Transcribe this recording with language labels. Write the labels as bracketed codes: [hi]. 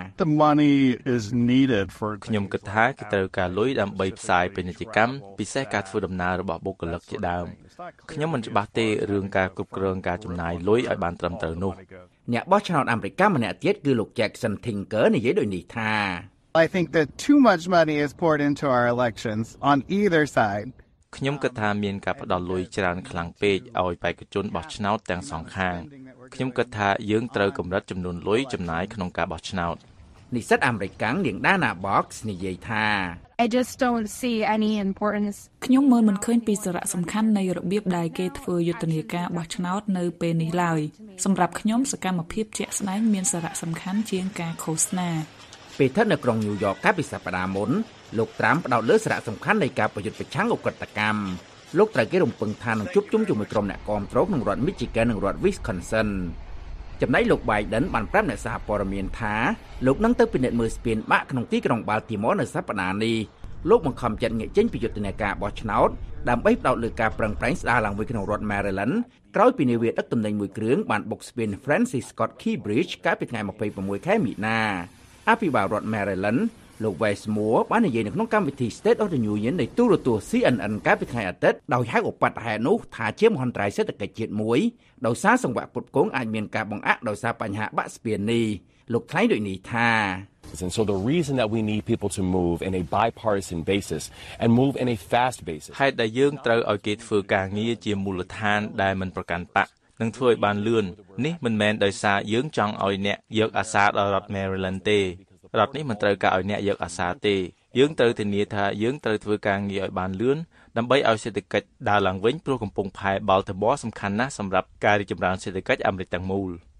[en] The money is needed for [km] ខ្ញុំគិតថាគេត្រូវការលុយដើម្បីផ្សាយពាណិជ្ជកម្មពិសេសការធ្វើដំណើររបស់បុគ្គលិកជាដើមខ្ញុំមិនច្បាស់ទេរឿងការគ្រប់គ្រងការចំណាយលុយឲ្យបានត្រឹមត្រូវនោះ អ្នកបោះឆ្នោតអាមេរិកម្នាក់ទៀតគឺលោក Jackson Tinker និយាយដូចនេះថា [en] I think that too much money is poured into our elections on either side [km] ខ្ញុំគិតថាមានការផ្ដល់លុយច្រើនខ្លាំងពេកឲ្យបេក្ខជនបោះឆ្នោតទាំងសងខាងខ្ញុំគិតថាយើងត្រូវកម្រិតចំនួនលុយចំណាយក្នុងការបោះឆ្នោត និស្សិតអាមេរិកកាំងនាងដាណាបុកនិយាយថា [en] I just don't see any importance [km] ខ្ញុំមើលមិនឃើញពីសារៈសំខាន់នៃរបៀបដែលគេធ្វើយុទ្ធនាការបោះឆ្នោតនៅពេលនេះឡើយសម្រាប់ខ្ញុំសកម្មភាពជាក់ស្ដែងមានសារៈសំខាន់ជាងការឃោសនា ពេលថ្នាក់នៅក្រុងញូវយ៉កកាលពីសប្តាហ៍មុនលោកត្រាំផ្ដោតលើសារៈសំខាន់នៃការប្រយុទ្ធប្រឆាំងអុកតកម្មលោកត្រូវគេរំពឹងថានឹងជួបជុំជាមួយក្រុមអ្នកគាំទ្រក្នុងរដ្ឋ Michigan និងរដ្ឋ Wisconsin ចំណែកលោក Biden បានប្រាប់អ្នកសារព័ត៌មានថាលោកនឹងទៅពិនិត្យមើលស្ពានបាក់ក្នុងទីក្រុង Baltimore នៅសប្តាហ៍នេះលោកបង្ខំចិត្តងាកចេញពីយុទ្ធនាការបោះឆ្នោតដើម្បីផ្ដោតលើការប្រឹងប្រែងស្ដារឡើងវិញក្នុងរដ្ឋ Maryland ក្រោយពីនាវាដឹកទំនិញមួយគ្រឿងបានបុកស្ពាន Francis Scott Key Bridge កាលពីថ្ងៃ26ខែមីនា អភិបាលរដ្ឋ Marylandលោក Westmore បាននិយាយនៅក្នុងកម្មវិធី State of the Union នៃទូរទស្សន៍ CNN កាលពីថ្ងៃអាទិត្យដោយហៅឧបតហេតុនោះថាជាមហន្តរាយសេដ្ឋកិច្ចជាតិមួយដោយសារសង្វាក់ផ្គត់ផ្គង់អាចមានការបង្អាក់ដោយសារបញ្ហាបាក់ស្ពាននេះលោកថ្លែងដូចនេះថា [en] So the reason that we need people to move in a bipartisan basis and move in a fast basis [km] ហេតុដែលយើងត្រូវឲ្យគេធ្វើការងារជាមូលដ្ឋានដែលមិនប្រកាន់បាក់នឹងធ្វើឲ្យបានលឿននេះមិនមែនដោយសារយើងចង់ឲ្យអ្នកយកអាសាដល់រដ្ឋ Maryland ទេរដ្ឋនេះមិនត្រូវការឲ្យអ្នកយកអាសាទេយើងត្រូវធានាថាយើងត្រូវធ្វើការងារឲ្យបានលឿនដើម្បីឲ្យសេដ្ឋកិច្ចដើរឡើងវិញព្រោះកំពុងផែ Baltimore សំខាន់ណាស់សម្រាប់ការរីកចម្រើនសេដ្ឋកិច្ចអាមេរិកទាំងមូល